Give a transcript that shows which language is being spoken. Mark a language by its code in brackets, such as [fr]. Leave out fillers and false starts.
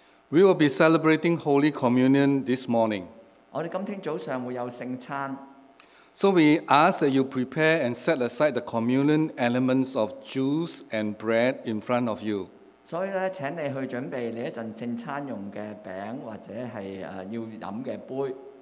[en] We will be celebrating Holy Communion this morning. [yue] 我哋今天早上會有聖餐。 [en] So we ask that you prepare and set aside the communion elements of juice and bread in front of you. [yue] 所以咧，請你去準備你一陣聖餐用嘅餅或者係要飲嘅杯。